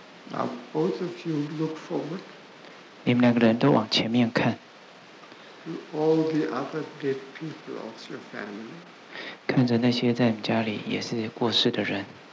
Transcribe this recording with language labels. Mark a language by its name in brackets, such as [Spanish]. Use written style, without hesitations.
[English] Now both of you look forward. [Chinese] 你们两个人都往前面看。 [English] To all the other dead people of your family. [Chinese] 看着那些在你们家里也是过世的人。